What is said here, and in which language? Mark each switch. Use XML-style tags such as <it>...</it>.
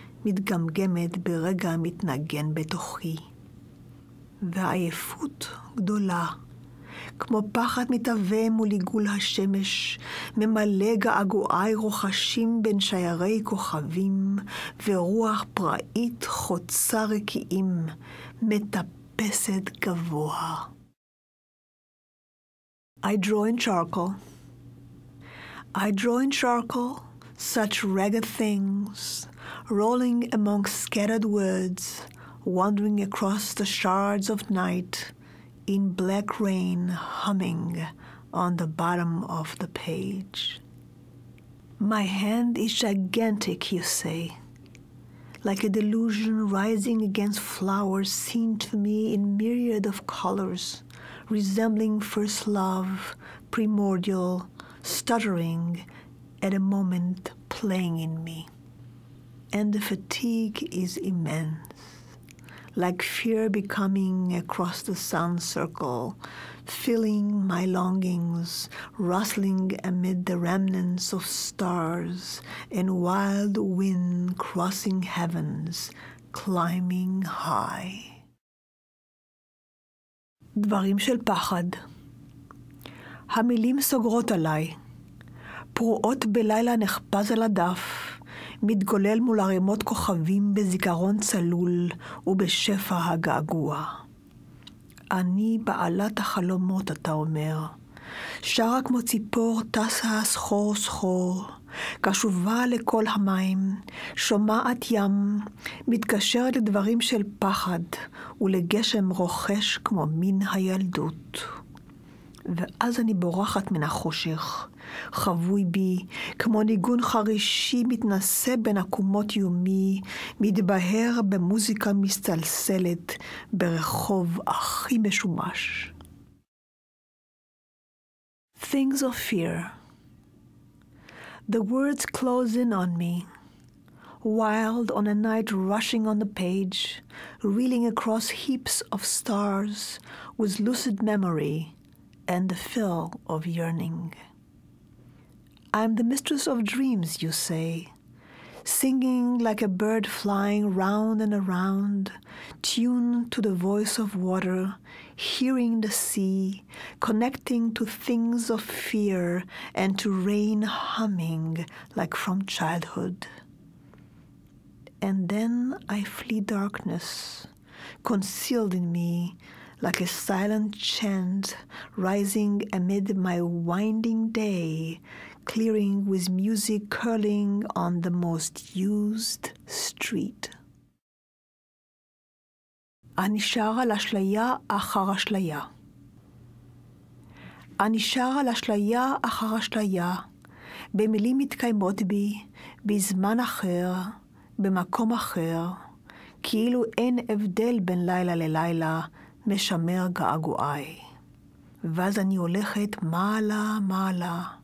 <he>מתגמגמת ברגע מתנגן בתוכי. והעייפות גדולה, כמו פחד מתהווה מול עיגול השמש, ממלא געגועי רוחשים בין שיירי כוכבים, ורוח פראית חוצה רקיעים, מטפסת גבוה.</he> <en>I draw in charcoal. I draw in charcoal such ragged things, rolling among scattered words, wandering across the shards of night, in black rain humming on the bottom of the page. My hand is gigantic, you say, like a delusion rising against flowers seen to me in myriad of colors, resembling first love, primordial, stuttering, at a moment playing in me. And the fatigue is immense, like fear becoming across the sun circle, filling my longings, rustling amid the remnants of stars and wild wind crossing heavens, climbing high.</en> <he>דברים של פחד. המילים סוגרות עליי, פרועות בלילה נחפז על הדף, מתגולל מול ערימות כוכבים בזיכרון צלול ובשפע הגעגוע. אני בעלת החלומות, אתה אומר, שרה כמו ציפור טסה סחור סחור, קשובה לכל המים, שומעת ים, מתקשרת לדברים של פחד ולגשם רוחש כמו מין הילדות. ואז אני בורחת מן החושך, חבוי בי, כמו ניגון חרישי מתנשא בין עקומות יומי, מתבהר במוזיקה מסתלסלת ברחוב הכי משומש.</he> <en>Things of fear. The words close in on me, wild on a night rushing on the page, reeling across heaps of stars with lucid memory and the fill of yearning. I'm the mistress of dreams, you say, singing like a bird flying round and around, tuned to the voice of water, hearing the sea, connecting to things of fear and to rain humming like from childhood. And then I flee darkness, concealed in me, like a silent chant rising amid my winding day, clearing with music curling on the most used street.</en> <he>אני שרה לאשליה אחר אשליה. אני שרה לאשליה אחר אשליה, במילים מתקיימות בי, בזמן אחר, במקום אחר, כאילו אין הבדל בין לילה ללילה, משמר געגועי. ואז אני הולכת מעלה מעלה,</he>